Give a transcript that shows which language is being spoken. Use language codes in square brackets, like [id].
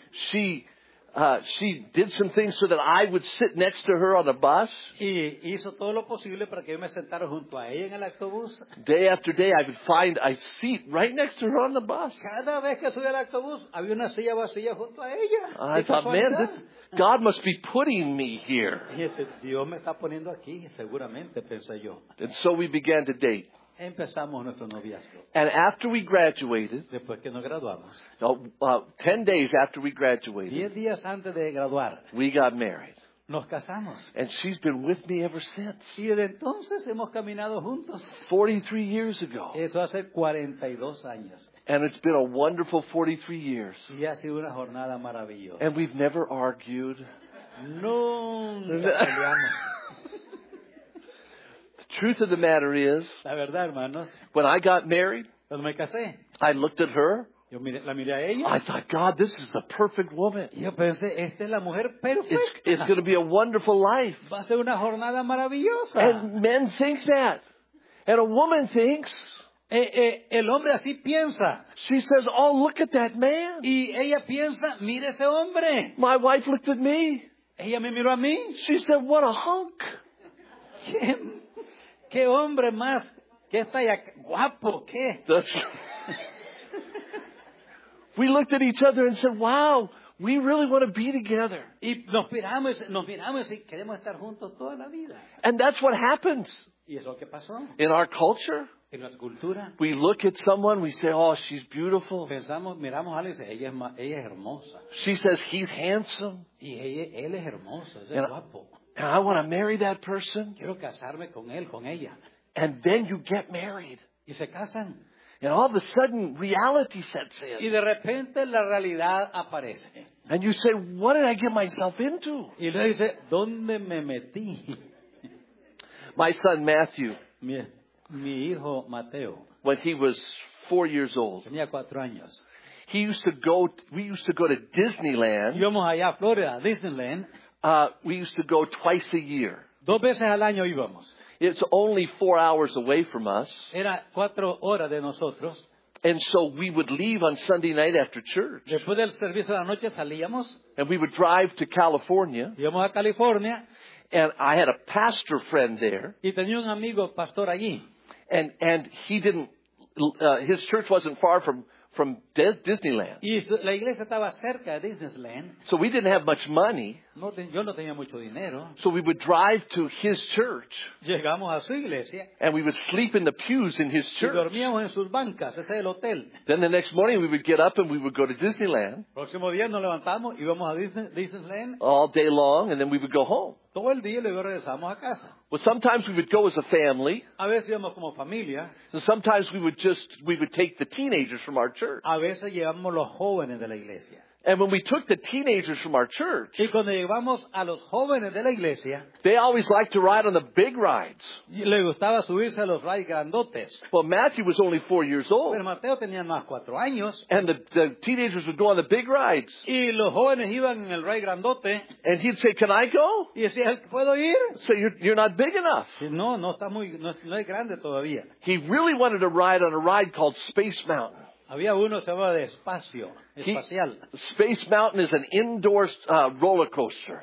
[en] She did some things so that I would sit next to her on the bus. [es] Y hizo todo lo posible para que yo me sentara junto a ella en el autobús. [en] Day after day, I would find a seat right next to her on the bus. [es] Cada vez que subía al autobús, había una silla vacía junto a ella. [en] I thought, man, this God must be putting me here. [es] Y ese Dios me está poniendo aquí, seguramente, pensé yo. [en] And so we began to date. [es] Empezamos nuestro noviazgo. [en] And after we graduated, [es] después que nos graduamos, [en] 10 days after we graduated, [es] 10 días antes de graduar, [en] we got married. [es] Nos casamos. [en] And she's been with me ever since. [es] Y desde entonces hemos caminado juntos. [en] 43 years ago. [es] Eso hace 42 años. [en] And it's been a wonderful 43 years. [es] Y ha sido una jornada maravillosa. [en] And we've never argued. [es] Nunca peleamos. [en] Truth of the matter is, [es] la verdad, hermanos, [en] when I got married, [es] cuando me casé, [en] I looked at her. [es] Yo miré, la miré a ella. [en] I thought, God, this is the perfect woman. [es] Yo pensé, esta es la mujer perfecta. [en] It's going to be a wonderful life. [es] Va a ser una jornada maravillosa. [en] And men think that. And a woman thinks. [es] El hombre así piensa. [en] She says, oh, look at that man. [es] Y ella piensa, mire ese hombre. [en] My wife looked at me. [es] Ella me miró a mí. [en] She said, what a hunk. [es] ¿Qué hombre más? ¿Qué está ya guapo? ¿Qué? [en] We looked at each other and said, wow, we really want to be together. [es] Y nos miramos y queremos estar juntos toda la vida. [en] And that's what happens. [es] ¿Y es lo que pasó? [en] In our culture. [es] En nuestra cultura. [en] We look at someone, we say, oh, she's beautiful. [es] Pensamos, miramos a alguien y dice, ella es hermosa. [en] She says, he's handsome. [es] Y él es hermoso, es guapo. [en] And I want to marry that person. [es] Quiero casarme con él, con ella. [en] And then you get married. [es] Y se casan. [en] And all of a sudden, reality sets in. [es] Y de repente, la realidad aparece. [en] And you say, what did I get myself into? [es] Y le dice, ¿dónde me metí? [en] My son Matthew. [es] Mi hijo Mateo. [en] When he was 4 years old. [es] Tenía 4 años. [en] We used to go to Disneyland. [es] Íbamos allá a Florida, Disneyland. [en] We used to go twice a year. [es] Dos veces al año íbamos. [en] It's only 4 hours away from us. [es] Era 4 horas de nosotros. [en] And so we would leave on Sunday night after church. [es] Después del servicio de la noche salíamos. [en] And we would drive to California. [es] Íbamos a California. [en] And I had a pastor friend there. [es] Y tenía un amigo pastor allí. [en] And he didn't, his church wasn't far from from Disneyland. [es] Y la iglesia estaba cerca de Disneyland. [en] So we didn't have much money. [es] Yo no tenía mucho dinero. [en] So we would drive to his church. [es] Llegamos a su iglesia. [en] And we would sleep in the pews in his church. [es] Y dormíamos en sus bancas, ese es el hotel. [en] Then the next morning we would get up and we would go to Disneyland. [es] Próximo día nos levantamos y vamos a Disneyland. [en] All day long, and then we would go home. [es] Todo el día luego regresamos a casa. [en] Well, sometimes we would go as a family. [es] A veces íbamos como familia. [en] And sometimes we would take the teenagers from our church. [es] A veces llevamos los jóvenes de la iglesia. [en] And when we took the teenagers from our church, [es] y cuando llevamos a los jóvenes de la iglesia, [en] they always liked to ride on the big rides. [es] Le gustaba subirse a los rides grandotes. [en] Well, Matthew was only 4 years old. [es] Pero Mateo tenía más 4 años. [en] And the teenagers would go on the big rides. [es] Y los jóvenes iban en el ride grandote. [en] And he'd say, "Can I go?" [es] Y decía, "¿Puedo ir?" [en] So you're not big enough. [es] No es grande todavía. [en] He really wanted to ride on a ride called Space Mountain. [es] Había uno que se llamaba Despacio, espacial. [en] Space Mountain is an indoor roller coaster.